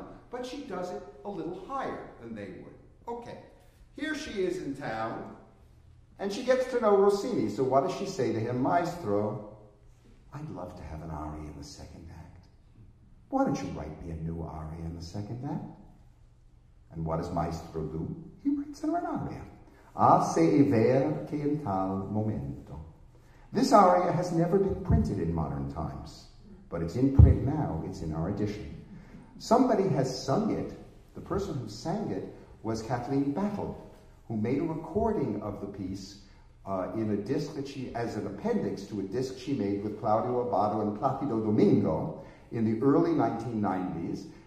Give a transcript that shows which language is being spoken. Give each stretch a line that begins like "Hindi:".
English: But she does it a little higher than they would. Okay, here she is in town, and she gets to know Rossini. So what does she say to him, Maestro? I'd love to have an aria in the second act. Why don't you write me a new aria in the second act? And what does Maestro do? He writes her an aria.
Italian: Ah, se è vero che in tal momento.
English: This aria has never been printed in modern times, but it's in print now, it's in our edition. Somebody has sung it. The person who sang it was Kathleen Battle, who made a recording of the piece in a disc that she, as an appendix to a disc she made with Claudio Abbado and Placido Domingo in the early 1990s.